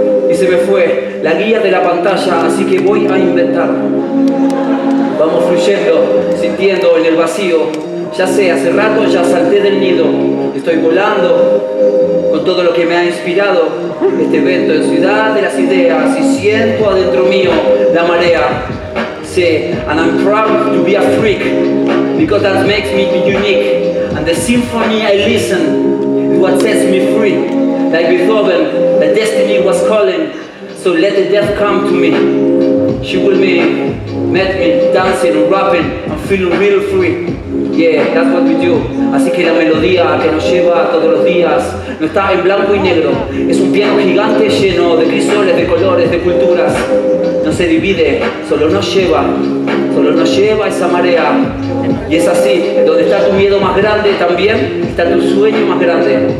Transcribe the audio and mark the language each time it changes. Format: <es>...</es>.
<es>Y se me fue la guía de la pantalla, así que voy a inventar. Vamos fluyendo, sintiendo en el vacío. Ya sé, hace rato ya salté del nido. Estoy volando con todo lo que me ha inspirado este evento en Ciudad de las Ideas. Y siento adentro mío la marea.</es> <en>Sí, and I'm proud to be a freak, because that makes me unique. And the symphony I listen is what sets me free. Like Beethoven, the destiny was calling, so let the death come to me. She will be met me dancing and rapping and feeling real free. Yeah, that's what we do.</en> <es>Así que la melodía que nos lleva todos los días no está en blanco y negro. Es un piano gigante lleno de crisoles, de colores, de culturas. No se divide, solo nos lleva esa marea. Y es así, donde está tu miedo más grande también, está tu sueño más grande.</es>